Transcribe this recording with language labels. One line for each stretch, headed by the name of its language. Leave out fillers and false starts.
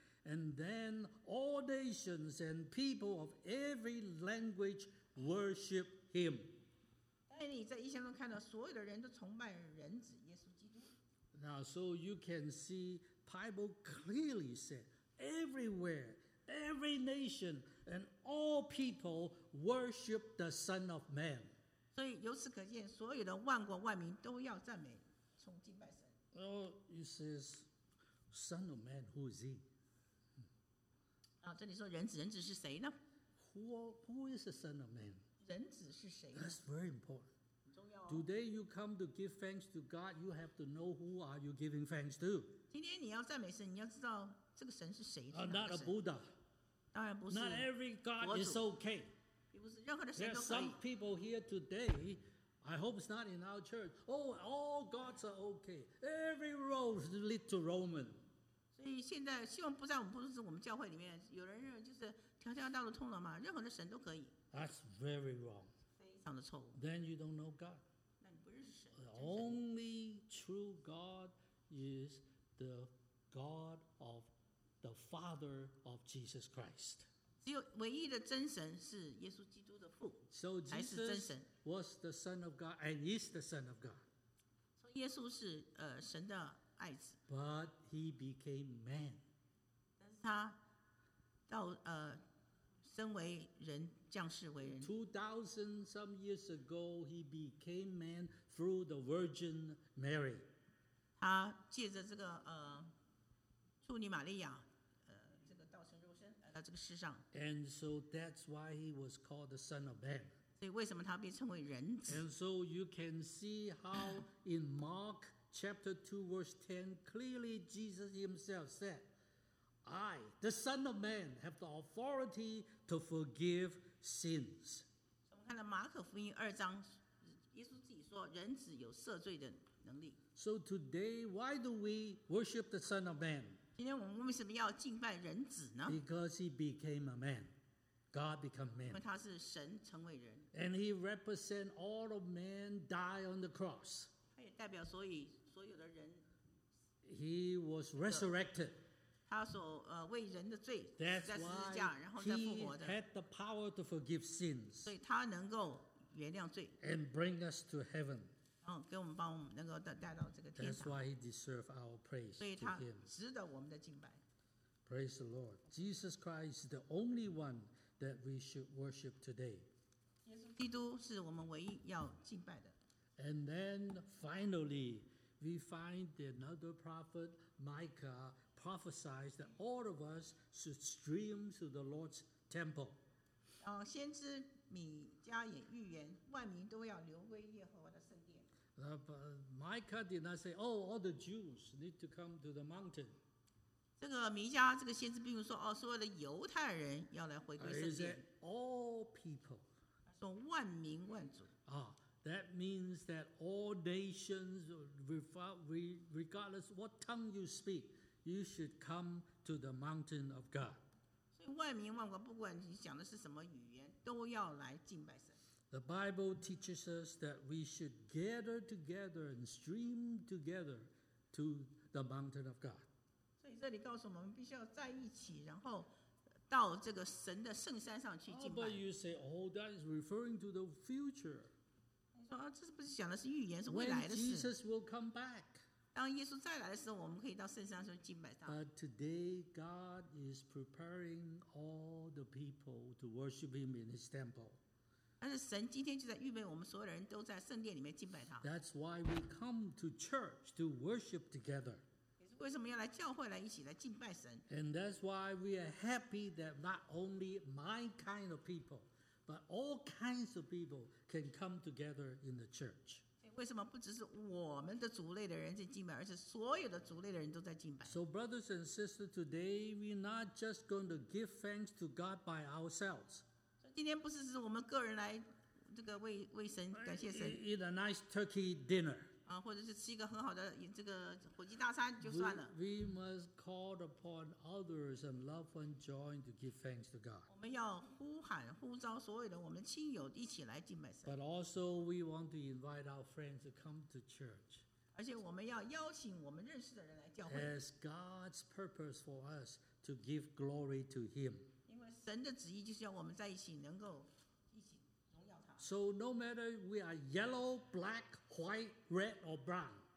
English: And then all nations and people of every language worship him.
Chinese: 但你在异象中看到所有的人都崇拜人子耶稣基督。
English: Now, so you can see, Bible clearly said, everywhere, every nation and all people worship the Son of Man.
Chinese: 所以由此可见，所有的万国万民都要赞美、崇敬拜神。
English: Oh, it says, Son of Man, who is he?
Chinese: 这里说人子，人子是谁呢？
English: Who is the Son of Man?
Chinese: 人子是谁呢？
English: That's very important. Today you come to give thanks to God, you have to know who are you giving thanks to.
Chinese: 今天你要赞美神，你要知道这个神是谁。
English: Not a Buddha.
Chinese: 当然不是。
English: Not every God is okay.
Chinese: 也不是任何的神都可以。
English: There are some people here today, I hope it's not in our church, oh, all gods are okay. Every road leads to Roman.
Chinese: 现在希望不在我们不是我们教会里面，有人认为就是条条道路通罗马，任何的神都可以。
English: That's very wrong.
Chinese: 非常的错误。
English: Then you don't know God.
Chinese: 那你不认识神。
English: Only true God is the God of the Father of Jesus Christ.
Chinese: 只有唯一的真神是耶稣基督的父，还是真神。
English: So Jesus was the Son of God and is the Son of God.
Chinese: 所以耶稣是神的。
English: But he became man.
Chinese: 但是他到身为人降世为人。
English: 2000 some years ago, he became man through the Virgin Mary.
Chinese: 他借着这个处女玛利亚这个道成肉身来到这个世上。
English: And so that's why he was called the Son of Man.
Chinese: 所以为什么他被称为人子？
English: And so you can see how in Mark. Chapter 2, verse 10, clearly Jesus himself said, I, the Son of Man, have the authority to forgive sins.
Chinese: 我们看到马可福音二章，耶稣自己说，人子有赦罪的能力。
English: So today, why do we worship the Son of Man?
Chinese: 今天我们为什么要敬拜人子呢？
English: Because he became a man. God became man.
Chinese: 因为他是神成为人。
English: And he represents all of men die on the cross.
Chinese: 代表所有的人
English: He was resurrected.
Chinese: 他所为人的罪在十字架，然后再复活的。
English: He had the power to forgive sins.
Chinese: 所以他能够原谅罪。
English: And bring us to heaven.
Chinese: 然后给我们帮我们能够带到这个天堂。
English: That's why he deserves our praise.
Chinese: 所以他值得我们的敬拜。
English: Praise the Lord. Jesus Christ is the only one that we should worship today.
Chinese: 耶稣基督是我们唯一要敬拜的。
English: And then finally, we find that another prophet, Micah, prophesies that all of us should stream to the Lord's temple.
Chinese: 先知米迦也预言，万民都要流归耶和华的圣殿。
English: Micah did not say, "Oh, all the Jews need to come to the mountain."
Chinese: 这个米迦这个先知并不说，所有的犹太人要来回归圣殿。
English: He said, "All people."
Chinese: 说万民万族。
English: That means that all nations, regardless what tongue you speak, you should come to the mountain of God.
Chinese: 所以万民万国，不管你讲的是什么语言，都要来敬拜神。
English: The Bible teaches us that we should gather together and stream together to the mountain of God.
Chinese: 这里告诉我们，我们必须要在一起，然后到这个神的圣山上去敬拜。
English: Oh, but you say, oh, that is referring to the future.
Chinese: 你说啊，这是不是讲的是预言，是未来的事
English: ？When Jesus will come back.
Chinese: 当耶稣再来的时候，我们可以到圣山上去敬拜他。
English: But today, God is preparing all the people to worship Him in His temple.
Chinese: 但是神今天就在预备我们所有人都在圣殿里面敬拜他。
English: That's why we come to church to worship together.
Chinese: 为什么要来教会来一起来敬拜神
English: ？And that's why we are happy that not only my kind of people, but all kinds of people can come together in the church.
Chinese: 为什么不只是我们的族类的人在敬拜，而是所有的族类的人都在敬拜
English: ？So brothers and sisters, today we're not just going to give thanks to God by ourselves.
Chinese: 今天不是指我们个人来这个 为神感谢神
English: eat a nice turkey dinner
Chinese: 啊，或者是吃一个很好的这个火鸡大餐就算了
English: we must call upon others and loved ones join to give thanks to God
Chinese: 我们要呼喊呼召所有的我们亲友一起来敬拜神
English: but also we want to invite our friends to come to church
Chinese: 而且我们要邀请我们认识的人来教会
English: as God's purpose for us to give glory to Him
Chinese: 神的旨意就是要我们在一起能够一起荣耀他。
English: So no matter we are yellow, black, white, red or brown，